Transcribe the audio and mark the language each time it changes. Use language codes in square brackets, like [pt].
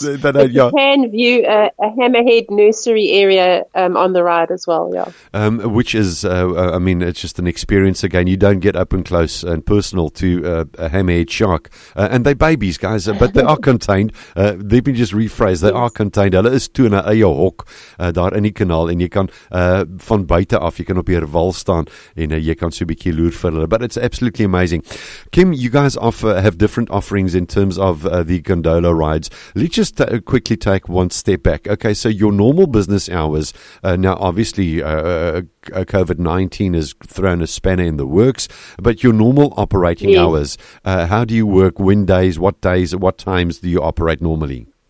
[en] You can view a hammerhead nursery area on the ride as well. Yeah, Which is, it's just an experience. Again, you don't get up and close and personal to a hammerhead shark, and they're babies, guys. But they are contained. Let me just rephrase: they are contained. [af] Hulle is toe na 'n hok daar in die kanaal, [en] and you can [af] van buite af. [en] You can [af] op 'n wal staan en jy kan so 'n bietjie loer vir hulle. [en] But it's absolutely amazing. Kim, you guys have different offerings in terms of the gondola rides. Let's just quickly take one step back. Okay, so your normal business hours, now obviously COVID-19 has thrown a spanner in the works, but your normal operating hours, how do you work? When days, what times do you operate normally?